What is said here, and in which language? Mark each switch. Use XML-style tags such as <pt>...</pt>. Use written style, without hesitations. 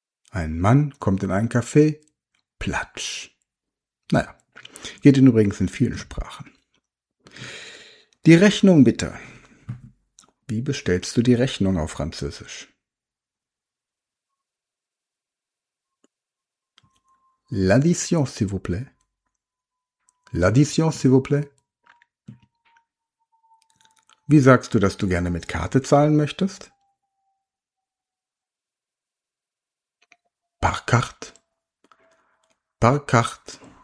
<de>Ein Mann kommt in einen Café, platsch. Naja, geht ihn übrigens in vielen Sprachen. Die Rechnung bitte. Wie bestellst du die Rechnung auf Französisch?</de> <fr>L'addition, s'il vous plaît. L'addition, s'il vous plaît.</fr> <de>Wie sagst du, dass du gerne mit Karte zahlen möchtest?</de> <fr>Par carte. Par carte.</fr>